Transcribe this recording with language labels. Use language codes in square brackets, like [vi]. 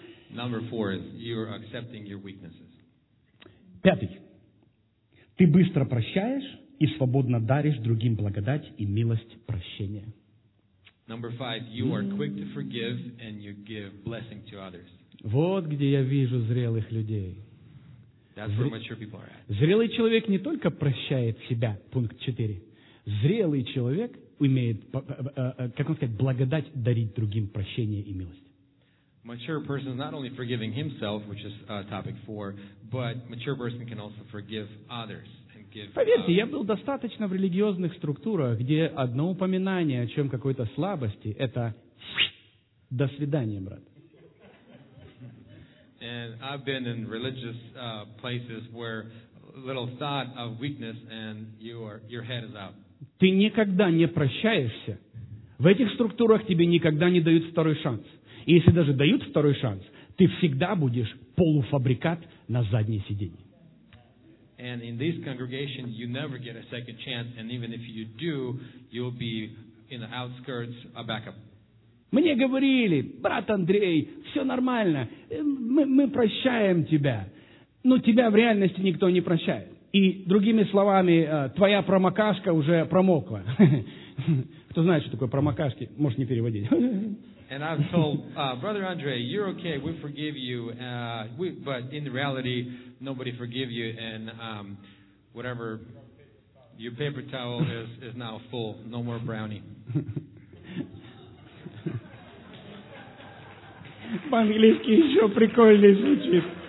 [en] Number four is you're accepting your weaknesses. [ru] Пятый. Ты быстро прощаешь и свободно даришь другим благодать и милость прощения. [en] Number five, you are quick to forgive and you give blessing to others. [ru] Вот где я вижу зрелых людей. [en] That's where mature people are at. [ru] Зрелый человек не только прощает себя, пункт 4. Зрелый человек умеет, как он сказать, благодать дарить другим прощение и милость. [en] Mature person is not only forgiving himself, which is topic 4, but mature person can also forgive others and give. [ru] Поверьте, я был достаточно в религиозных структурах, где одно упоминание о чем какой-то слабости это до свидания, брат. [en] And I've been in religious places where little thought of weakness and your head is out. [ru] Ты никогда не прощаешься. В этих структурах тебе никогда не дают второй шанс. И если даже дают второй шанс, ты всегда будешь полуфабрикат на заднее сиденье. [en] And in this congregation you never get a second chance, and even if you do, you'll be in the outskirts, a backup. [ru] Мне говорили, брат Андрей, все нормально, мы прощаем тебя. Но тебя в реальности никто не прощает. И, другими словами, твоя промокашка уже промокла. Кто знает, что такое промокашки, может не переводить. [en] And I've told, brother Andre, you're okay, we forgive you, but in reality, nobody forgive you, and whatever, your paper towel is now full, no more brownie. [ru] По-английски еще прикольнее звучит.